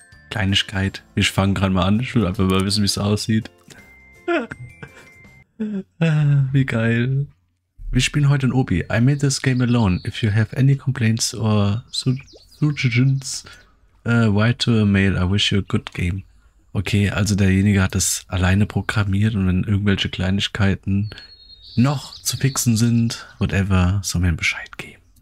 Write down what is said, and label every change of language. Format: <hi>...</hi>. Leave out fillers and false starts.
<de>Kleinigkeit, ich fange gerade mal an, ich will einfach mal wissen, wie es aussieht. Wie geil. Wir spielen heute ein Opi.</de> <en>I made this game alone. If you have any complaints or suggestions, write to a mail. I wish you a good game.</en> <de>Okay, also derjenige hat das alleine programmiert und wenn irgendwelche Kleinigkeiten noch zu fixen sind, whatever, soll mir ein Bescheid geben.</de>